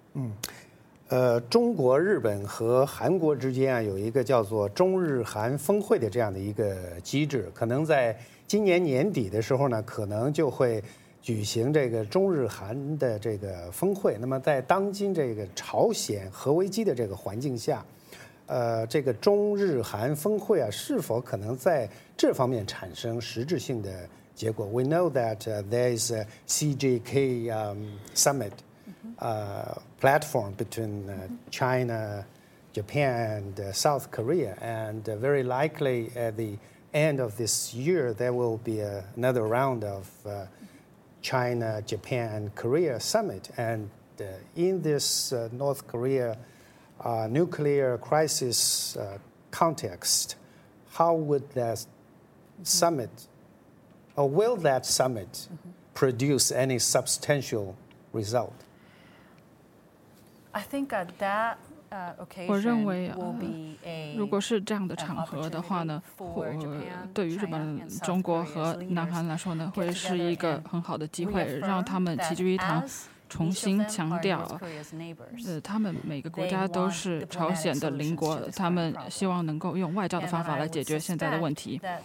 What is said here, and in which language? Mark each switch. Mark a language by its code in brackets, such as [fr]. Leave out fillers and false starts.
[zh] 嗯，中国日本和韩国之间啊有一个叫做中日韩峰会的这样的一个机制，可能在今年年底的时候呢可能就会举行这个中日韩的这个峰会。那么在当今这个朝鲜核危机的这个环境下，这个中日韩峰会啊是否可能在这方面产生实质性的结果？ [en] We know that there is a CJK summit platform between China, Japan and South Korea, and very likely at the end of this year there will be another round of China, Japan, Korea summit, and in this North Korea nuclear crisis context, how would that summit, or will that summit produce any substantial result? I think that... [zh] 我认为如果是这样的场合的话呢，对于日本、中国和南韩来说呢会是一个很好的机会，让他们齐聚一堂，重新强调他们每个国家都是朝鲜的邻国，他们希望能够用外交的方法来解决现在的问题。